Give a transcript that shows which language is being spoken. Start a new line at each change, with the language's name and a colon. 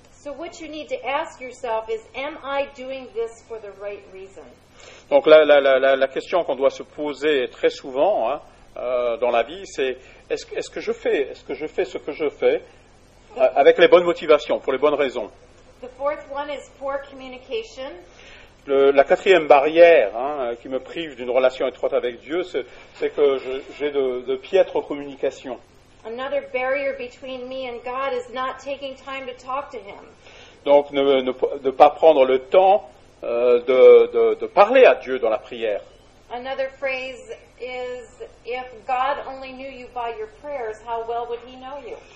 English: So what you need to ask yourself is, am I doing this for the right reason?
French: Donc la question qu'on doit se poser très souvent dans la vie, c'est est-ce que je fais ce que je fais avec les bonnes motivations, pour les bonnes raisons.
English: The fourth one is poor communication.
French: La quatrième barrière qui me prive d'une relation étroite avec Dieu, c'est que j'ai de piètres communications.
English: Another barrier between me and God is not taking time to talk to Him.
French: Donc ne pas prendre le temps de parler à Dieu dans la prière.
English: Another phrase is, if God only knew you by your prayers, how well would He know you?